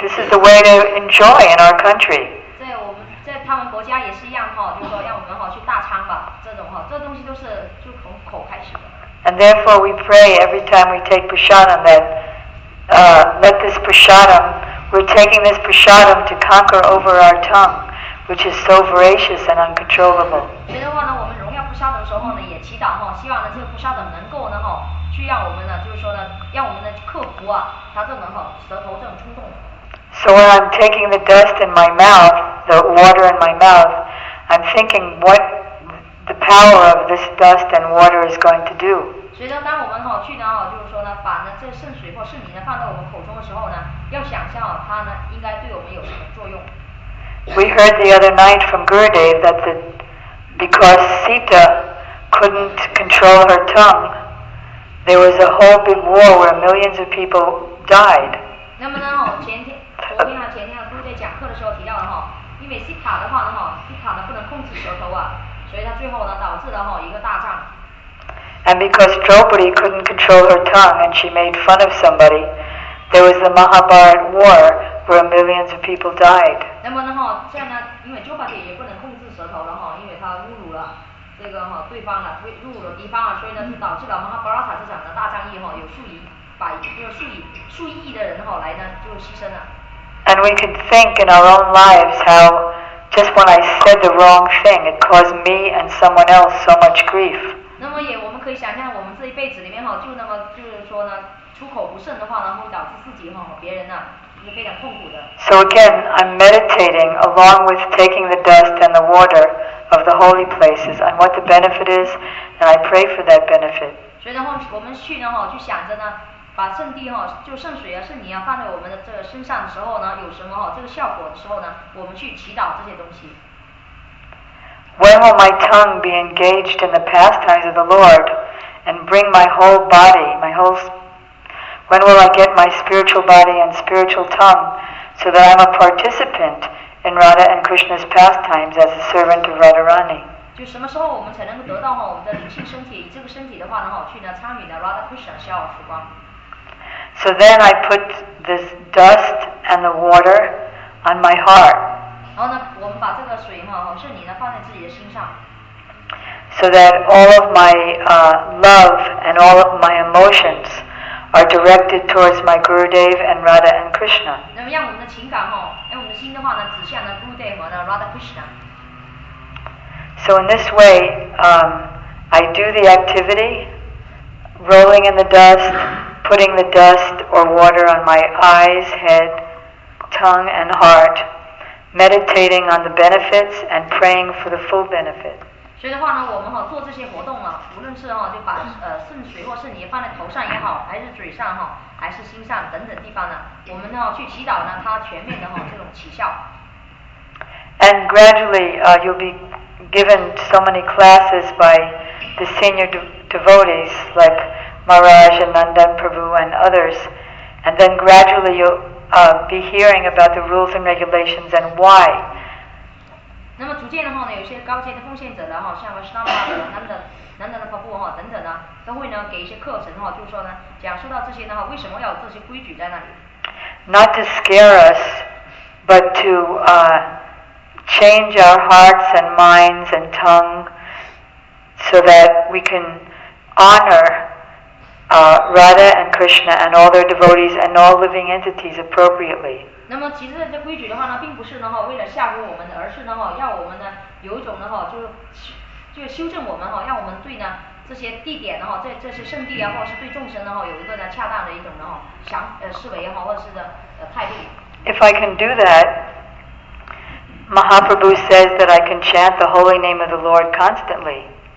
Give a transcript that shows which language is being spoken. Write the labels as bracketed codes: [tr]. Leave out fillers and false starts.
[en] This is the way to enjoy in our country. [zh] 在我们在他们国家也是一样哈，就是说让我们哈去大餐吧，这种哈，这东西都是就从口开始的。 [en] And therefore we pray every time we take prasadam that let this prasadam, we're taking this prasadam to conquer over our tongue, which is so voracious and uncontrollable. [zh] 所以的话呢，我们荣耀prasadam的时候呢，也祈祷哈，希望呢这个prasadam能够呢哈，去让我们呢，就是说呢，让我们的克服啊，它这种哈舌头这种冲动。 [en] So when I'm taking the dust in my mouth, the water in my mouth, I'm thinking what,the power of this dust and water is going to do. [zh] 所以呢，当我们哈去呢哈，就是说呢，把呢这圣水或圣灵呢放到我们口中的时候呢，要想象哦，它呢应该对我们有什么作用。 [en] We heard the other night from Gurudev that the because Sita couldn't control her tongue, there was a whole big war where millions of people died. [zh] 那么呢，前天昨天啊，前天啊，Gurudev在讲课的时候提到的哈，因为 Sita 的话呢哈 ，Sita 呢不能控制舌头啊。所以他最后呢，导致了哈一个大战。 [en] And because Draupadi couldn't control her tongue and she made fun of somebody, there was the Mahabharat war where millions of people died. [zh] 那么呢哈，这样呢，因为 Draupadi 也不能控制舌头了哈，因为他侮辱了这个哈对方了，侮辱了敌方了，所以呢，就导致了 Mahabharata 这场的大战役哈，有数亿百就是数亿的人哈来呢就牺牲了。 [en] And we could think in our own lives how. Just when I said the wrong thing, it caused me and someone else so much grief. [zh] 那么也我们可以想象，我们这一辈子里面哈，就那么就是说呢，出口不慎的话呢，会导致自己哈和别人呢是非常痛苦的。 [en] So again, I'm meditating along with taking the dust and the water of the holy places on what the benefit is, and I pray for that benefit. [zh] 所以的话，我们去呢哈，就想着呢，把圣地哈，就圣水啊、圣泥啊放在我们的这个身上的时候呢，有什么哈这个效果的时候呢，我们去祈祷这些东西。 [en] When will my tongue be engaged in the pastimes of the Lord, and bring my whole body, my whole? When will I get my spiritual body and spiritual tongue, so that I'm a participant in Radha and Krishna's pastimes as a servant of Radharani? [zh] 就什么时候我们才能够得到哈我们的灵性身体，这个身体的话呢哈，去呢参与的 Radha Krishna 逍遥时光。 [en] So then I put this dust and the water on my heart. [zh] 然后呢，我们把这个水哈，是你呢，放在自己的心上。 [en] So that all of my love and all of my emotions are directed towards my Gurudev and Radha and Krishna. [zh] 那么让我们的情感哈，让我们的心的话呢，指向了 Gurudev 和呢 Radha Krishna. [en] So in this way, I do the activity, rolling in the dust. Putting the dust or water on my eyes, head, tongue, and heart, meditating on the benefits and praying for the full benefit. [zh] 所以的话呢，我们哈做这些活动啊，无论是哈就把圣水或圣泥放在头上也好，还是嘴上哈，还是心上等等地方呢，我们呢去祈祷呢，它全面的哈这种起效。 [en] And gradually, you'll be given so many classes by the senior devotees like. Maharaj and Nandan Prabhu and others, and then gradually you'll be hearing about the rules and regulations and why. [zh] 那么逐渐的话呢，有些高阶的奉献者呢，哈，像 Vaishnava 的Nandan Prabhu 哈等等呢，都会呢给一些课程哈，就是说呢，讲述到这些的话，为什么要有这些规矩在那里 [en] ？Not to scare us, but to change our hearts and minds and tongue, so that we can honor. Radha and Krishna and all their devotees and all living entities appropriately. [zh] 那么其实这规矩的话呢，并不是呢哈为了吓唬我们的，而是呢哈要我们呢有一种呢哈就修正我们哈，让我们对呢这些地点呢哈，这些圣地啊，或者是对众生呢哈有一个呢恰当的一种呢哈想思维哈，或者是的态度。 [en] If I can do that, Mahaprabhu says that I can chant the holy name of the Lord constantly.